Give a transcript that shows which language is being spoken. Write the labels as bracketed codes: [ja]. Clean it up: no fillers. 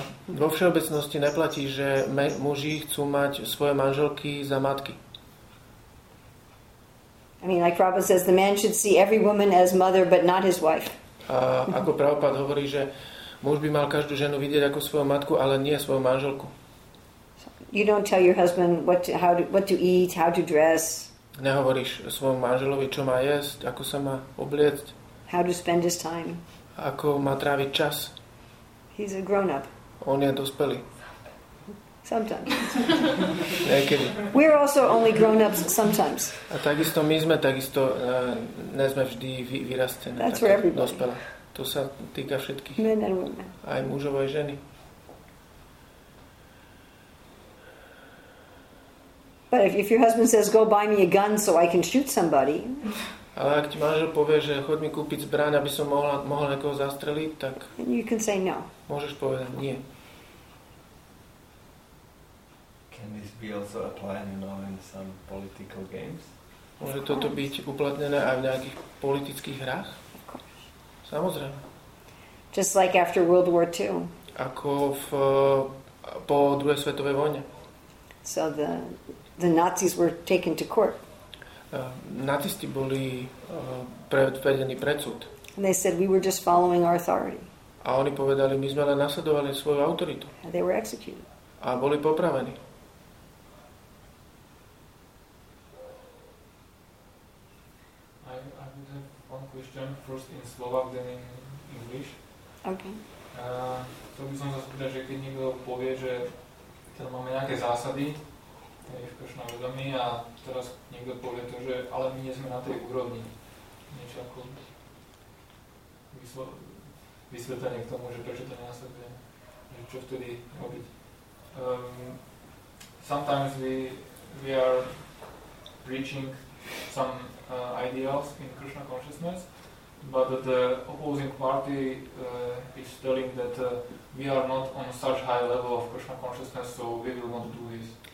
[sk] Vo všeobecnosti neplatí, že muži chcú mať svoje manželky za matky. [en] I mean, like Prabhupada says, the man should see every woman as mother, but not his wife. [sk] Ako Prabhupada hovorí, že muž by mal každú ženu vidieť ako svoju matku, ale nie svoju manželku. [en] You don't tell your husband what to eat, how to dress. [sk] Nehovoríš svojom manželovi, čo má jesť, ako sa má obliecť. [en] How to spend his time. [sk] Ako má tráviť čas. [en] He's a grown up. [sk] On je dospelý. [en] Sometimes. [sk] Niekedy. [en] We're also only grown ups sometimes. [sk] A takisto my sme takisto, ne sme vždy vyrastené. [en] That's for everybody. [sk] Dospelé. To sa týka všetkých. [en] Men and women. [sk] Aj mužov, aj ženy. [en] But if your husband says, go buy me a gun so I can shoot somebody. [sk] Ale ak ti manžel povie, že choď mi kúpiť zbraň, aby som mohol niekoho zastreliť, tak... [en] And you can say no. [sk] Môžeš povedať nie. [en] Can this be also applied, you know, in some political games? [sk] Môže toto byť uplatnené aj v nejakých politických hrách? [en] Of course. [sk] Samozrejme. [en] Just like after World War II. [sk] Ako po druhej svetovej vojne. [en] So the Nazis were taken to court. [sk] Nacisti boli predvedení pred súd. [en] And they said, we were just following our authority. [sk] A oni povedali, my sme len nasledovali svoju autoritu. [en] And they were executed. [sk] A boli popravení. [en] I have one question, first in Slovak, then in English. Okay. [sk] To by som zaspýtal, že keď niekto povie, že teda máme nejaké zásady, v Krishna vedomí a teraz niekto povie to, že ale my nie sme na tej úrovni. Niečo ako vysvetlenie k tomu, že prečo to nenasleduje, že čo vtedy robiť. [en] Sometimes we are preaching some ideals in Krishna consciousness, but the opposing party is telling that we are not on such high level of Krishna consciousness, so we will not do this.